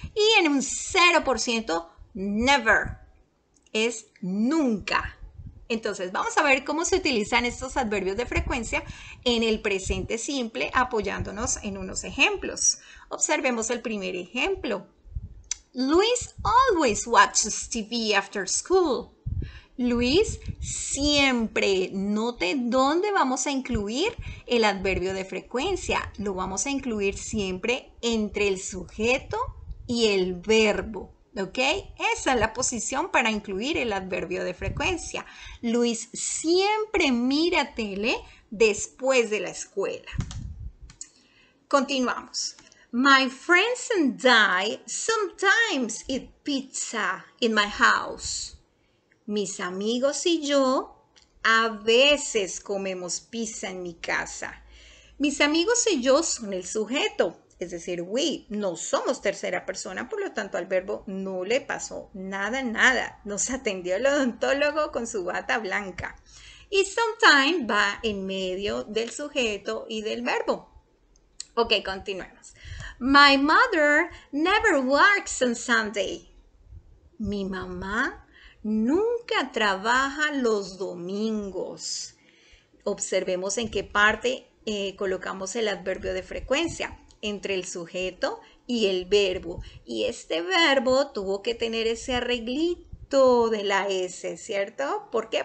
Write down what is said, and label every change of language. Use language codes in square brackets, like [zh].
[es] Y en un 0%, never, es nunca. Entonces, vamos a ver cómo se utilizan estos adverbios de frecuencia en el presente simple apoyándonos en unos ejemplos. Observemos el primer ejemplo. [en] Luis always watches TV after school. [es] Luis siempre. Note dónde vamos a incluir el adverbio de frecuencia. Lo vamos a incluir siempre entre el sujeto y el verbo. ¿Ok? Esa es la posición para incluir el adverbio de frecuencia. Luis siempre mira tele después de la escuela. Continuamos. [en] My friends and I sometimes eat pizza in my house. [es] Mis amigos y yo a veces comemos pizza en mi casa. Mis amigos y yo son el sujeto, es decir, we, no somos tercera persona, por lo tanto al verbo no le pasó nada, nada. Nos atendió el odontólogo con su bata blanca. Y sometimes va en medio del sujeto y del verbo. Ok, continuemos. [en] My mother never works on Sunday. [es] Mi mamá nunca trabaja los domingos. Observemos en qué parte colocamos el adverbio de frecuencia, entre el sujeto y el verbo. Y este verbo tuvo que tener ese arreglito de la S, ¿cierto? ¿Por qué?